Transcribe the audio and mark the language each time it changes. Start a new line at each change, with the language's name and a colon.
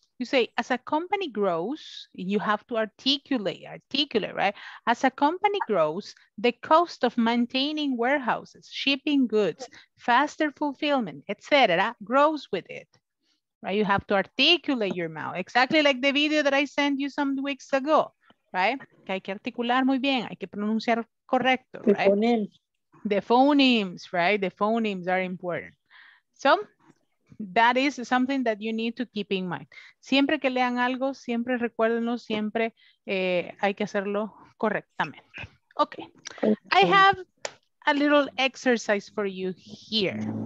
English: You say, as a company grows, you have to articulate, right? As a company grows, the cost of maintaining warehouses, shipping goods, faster fulfillment, etc., grows with it, right? You have to articulate your mouth, exactly like the video that I sent you some weeks ago, right?
Spanish: Que hay que articular muy bien, hay que pronunciar correcto, right?
English: The phonemes are important. So, that is something that you need to keep in mind.
Spanish: Siempre que lean algo, siempre recuérdenlo, siempre hay que hacerlo correctamente.
English: Okay. I have a little exercise for you here.